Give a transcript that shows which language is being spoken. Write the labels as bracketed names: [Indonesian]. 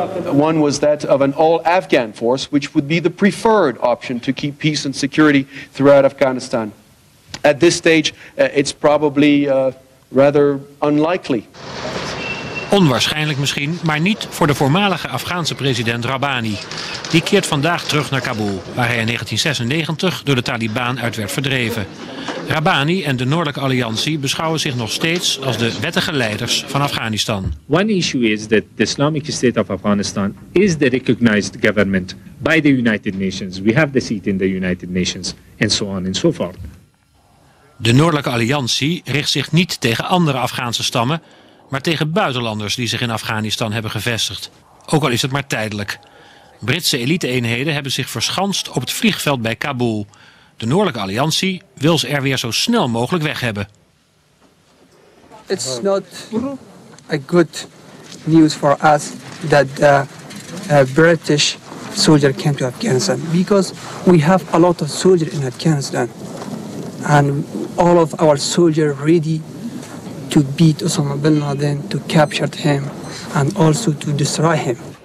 [English] One was that of an all-Afghan force, which would be the preferred option to keep peace and security throughout Afghanistan. At this stage, it's probably rather unlikely. [Dutch] Onwaarschijnlijk misschien, maar niet voor de voormalige Afghaanse president Rabbani. Die keert vandaag terug naar Kabul, waar hij in 1996 door de Taliban uit werd verdreven. Rabbani en de Noordelijke Alliantie beschouwen zich nog steeds als de wettige leiders van Afghanistan. [English] One issue is that the Islamic State of Afghanistan is the recognized government by the United Nations. We have the seat in the United Nations and so on and so forth. [Dutch] De Noordelijke Alliantie richt zich niet tegen andere Afghaanse stammen, maar tegen buitenlanders die zich in Afghanistan hebben gevestigd. Ook al is het maar tijdelijk. Britse elite-eenheden hebben zich verschanst op het vliegveld bij Kabul. De Noordelijke Alliantie wil ze er weer zo snel mogelijk weg hebben. [English] It's not a good news for us that the British soldier came to Afghanistan. Because we have a lot of soldiers in Afghanistan. And all of our soldiers ready to beat Osama bin Laden, to capture him and also to destroy him.